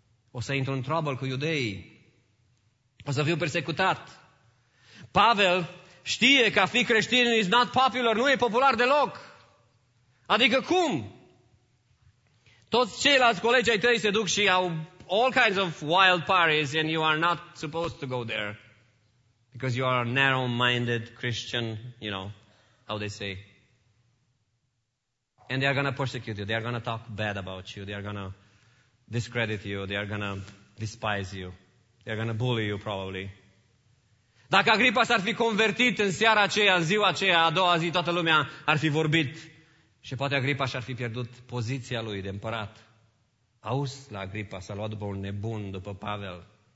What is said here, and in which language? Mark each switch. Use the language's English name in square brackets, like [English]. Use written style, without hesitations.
[Romanian] O să intru în trouble cu iudeii. O să fiu persecutat. Pavel știe că a fi creștin is not popular, nu e popular deloc. Adică cum? Toți ceilalți colegi ai tăi se duc și au [English] all kinds of wild parties, and you are not supposed to go there because you are a narrow-minded Christian, you know, how they say. And they are going to persecute you. They are going to talk bad about you. They are going to discredit you. They are going to despise you. They are going to bully you, probably. [Romanian] Dacă Agripa s-ar fi convertit în seara aceea, în ziua aceea, a doua zi, toată lumea ar fi vorbit. Și poate Agripa și-ar fi pierdut poziția lui de împărat. Auzi la Agripa, s-a luat după un nebun, după Pavel.